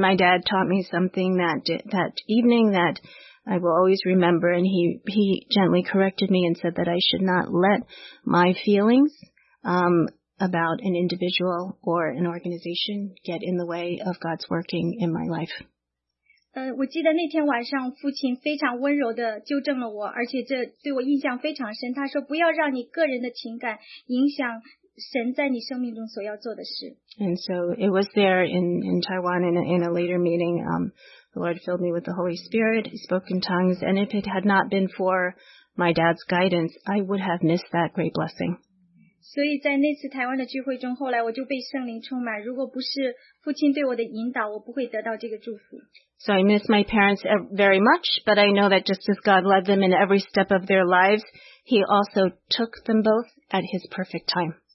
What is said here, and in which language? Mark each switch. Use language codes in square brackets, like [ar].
[en] my dad taught me something that evening that I will always remember, and he gently corrected me and said that I should not let my feelings about an individual or an organization get in the way of God's working in my life. [zh] 我记得那天晚上父亲非常温柔地纠正了我，而且这对我印象非常深。他说不要让你个人的情感影响神在你生命中所要做的事。 [en] And so it was there in Taiwan in a later meeting. The Lord filled me with the Holy Spirit. He spoke in tongues. And if it had not been for my dad's guidance, I would have missed that great blessing. [zh] 所以在那次台湾的聚会中，后来我就被圣灵充满。如果不是父亲对我的引导，我不会得到这个祝福。 [en] So I miss my parents very much, but I know that just as God led them in every step of their lives, He also took them both at His perfect time.